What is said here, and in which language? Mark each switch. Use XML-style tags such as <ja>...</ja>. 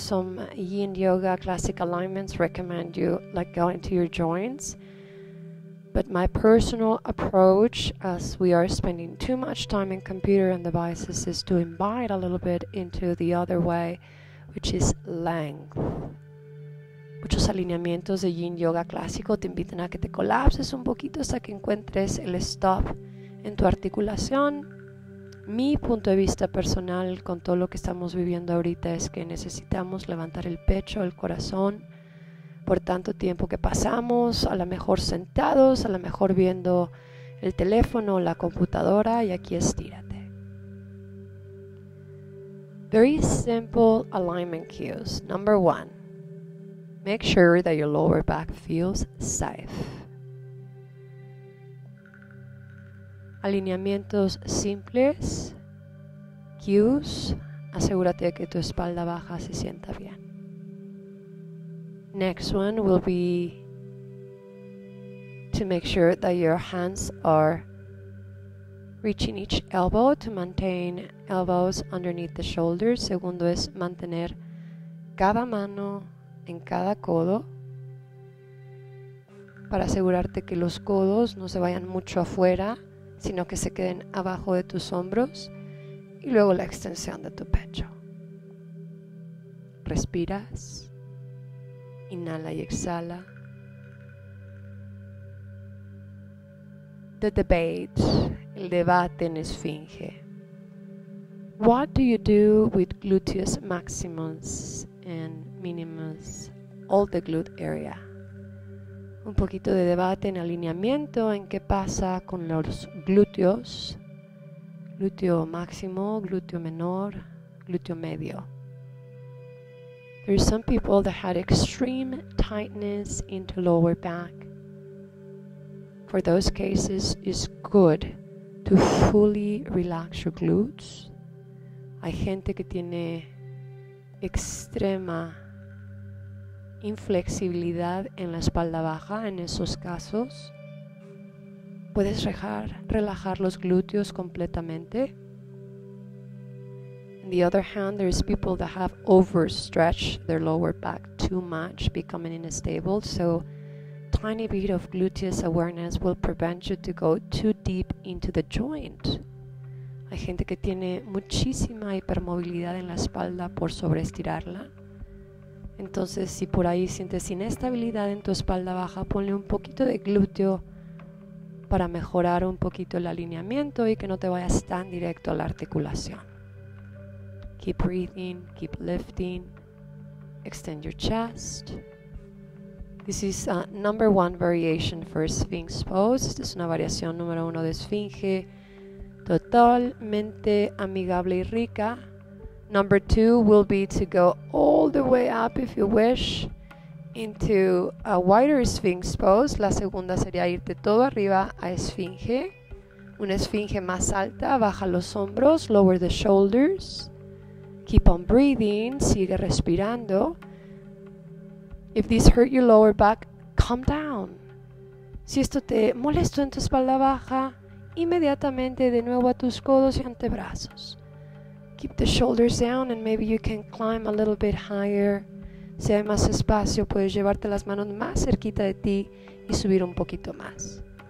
<en>Some yin yoga classic alignments recommend you like go into your joints. But my personal approach, as we are spending too much time in computer and devices, is to invite a little bit into the other way, which is length.</en> <es>muchos alineamientos de yin yoga clásico te invitan a que te colapses un poquito hasta que encuentres el stop en tu articulación. Mi punto de vista personal con todo lo que estamos viviendo ahorita es que necesitamos levantar el pecho, el corazón, por tanto tiempo que pasamos, a lo mejor sentados, a lo mejor viendo el teléfono, la computadora, y aquí estírate.</es> <en>Very simple alignment cues. Number one, make sure that your lower back feels safe.</en> <es>Alineamientos simples, cues, asegúrate de que tu espalda baja se sienta bien.</es> <en>Next one will be to make sure that your hands are reaching each elbow, to maintain elbows underneath the shoulders.</en> <es>Segundo es mantener cada mano en cada codo, para asegurarte que los codos no se vayan mucho afuera, sino que se queden abajo de tus hombros, y luego la extensión de tu pecho. Respiras, inhala y exhala.</es> <en>The debate,</en> <es>el debate en esfinge.</es> <en>What do you do with gluteus maximus and minimus, all the glute area?</en> <es>Un poquito de debate en alineamiento, en qué pasa con los glúteos, glúteo máximo, glúteo menor, glúteo medio.</es> <en>There are some people that had extreme tightness into lower back. For those cases, it's good to fully relax your glutes.</en> <es>Hay gente que tiene extrema inflexibilidad en la espalda baja. En esos casos, puedes relajar los glúteos completamente.</es> <en>On the other hand, there is people that have overstretched their lower back too much, becoming unstable. So, tiny bit of gluteus awareness will prevent you to go too deep into the joint.</en> <es>Hay gente que tiene muchísima hipermovilidad en la espalda por sobreestirarla. Entonces, si por ahí sientes inestabilidad en tu espalda baja, ponle un poquito de glúteo para mejorar un poquito el alineamiento y que no te vayas tan directo a la articulación.</es> <en>Keep breathing, keep lifting, extend your chest. This is a number one variation for Sphinx pose.</en> <es>Esta es una variación número uno de esfinge, totalmente amigable y rica.</es> <en>Number two will be to go all the way up, if you wish, into a wider sphinx pose.</en> <es>La segunda sería irte todo arriba a esfinge. Una esfinge más alta, baja los hombros,</es> <en>lower the shoulders. Keep on breathing,</en> <es>sigue respirando.</es> <en>If this hurt your lower back, calm down.</en> <es>Si esto te molestó en tu espalda baja, inmediatamente de nuevo a tus codos y antebrazos.</es> <en>Keep the shoulders down and maybe you can climb a little bit higher.</en> <es>Si hay más espacio, puedes llevarte las manos más cerquita de ti y subir un poquito más.</es>